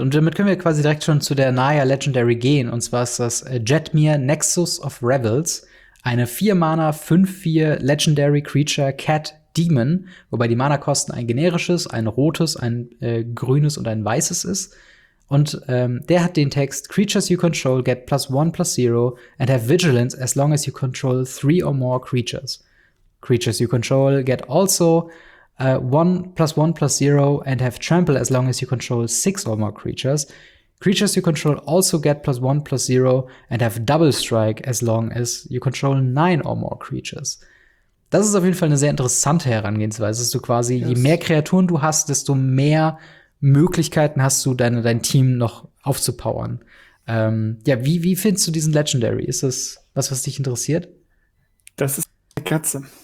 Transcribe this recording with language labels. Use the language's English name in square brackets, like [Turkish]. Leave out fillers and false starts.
[German] Und damit können wir quasi direkt schon zu der Naya Legendary gehen. Und zwar ist das Jetmir Nexus of Revels. Eine 4-Mana, 5-4 Legendary Creature Cat Demon, wobei die Mana-Kosten ein generisches, ein rotes, ein grünes und ein weißes ist. Und der hat den Text, [English] Creatures you control get +1/+0 and have vigilance as long as you control 3 or more creatures. Creatures you control get also 1/+1/+0 and have trample as long as you control 6 or more creatures. Creatures you control also get +1/+0 and have double strike as long as you control 9 or more creatures. [German] Das ist auf jeden Fall eine sehr interessante Herangehensweise, dass du quasi, yes, je mehr Kreaturen du hast, desto mehr Möglichkeiten hast du, dein Team noch aufzupowern. Wie findest du diesen Legendary? Ist das was dich interessiert? Das ist eine Katze.